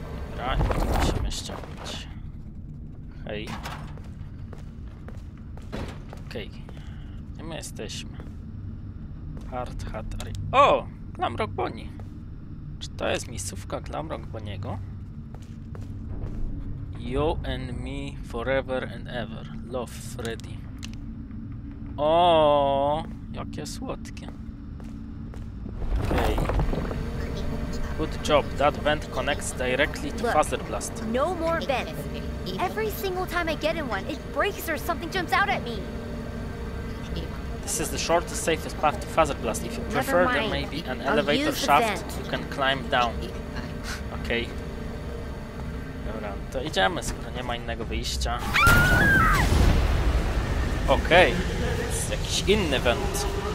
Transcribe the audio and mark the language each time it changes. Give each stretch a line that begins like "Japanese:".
Polish: Dobra, musimy ściągnąć. Hej. Okej. My jesteśmy. Hard Hat Arena. O! Glamrock Bonnie. Czy to jest miejscówka Glamrock Bonniego?
English: You and me forever and ever. Love Freddy.
Polish: O! Jakie słodkie. Okej.
English: Good job. That vent connects directly to Phaser Blast. No more vents. Every single time I get in one, it breaks or something jumps out at me. This is the shortest, safest path to Phaser Blast. If you prefer, there may be an elevator shaft you can climb down.
Polish: Okej. Okay. Dobra, to idziemy, skoro nie ma innego wyjścia. Okej. Okay. Jakiś inny vent.